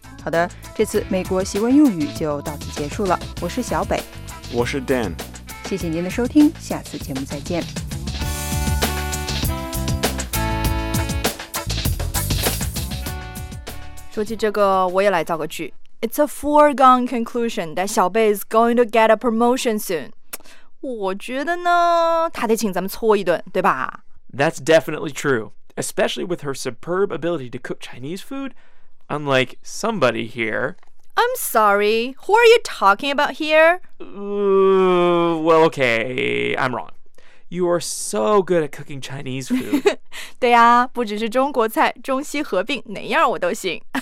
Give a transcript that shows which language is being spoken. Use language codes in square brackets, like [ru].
[zh] 好的，这次美国习惯用语就到此结束了。我是小北。我是 Dan。谢谢您的收听，下次节目再见。说起这个，我也来造个句。 [en] It's a foregone conclusion that 小贝 is going to get a promotion soon. [zh] 我觉得呢，他得请咱们搓一顿，对吧？ [en] That's definitely true, especially with her superb ability to cook Chinese food, unlike somebody here. I'm sorry, who are you talking about here? Well, okay, I'm wrong. You are so good at cooking Chinese food. [zh] 对啊，不只是中国菜，中西合并，哪样我都行。